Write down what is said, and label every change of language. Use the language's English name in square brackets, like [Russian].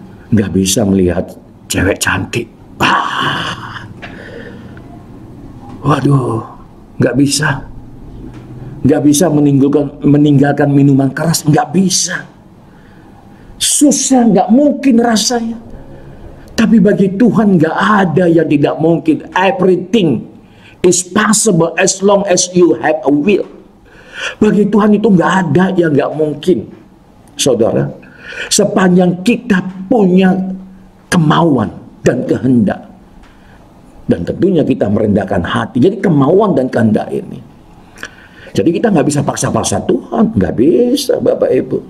[Indonesian] Enggak bisa melihat cewek cantik. Bah. Waduh, enggak bisa. Enggak bisa meninggalkan minuman keras, enggak bisa. Susah, enggak mungkin rasanya. Tapi bagi Tuhan enggak ada yang tidak mungkin. [English] Everything is possible as long as you have a will. [Indonesian] Bagi Tuhan itu enggak ada yang enggak mungkin. Saudara, sepanjang kita punya kemauan dan kehendak. Dan tentunya kita merendahkan hati. Jadi kemauan dan kehendak ini. Jadi kita gak bisa paksa-paksa Tuhan. Gak bisa, Bapak Ibu.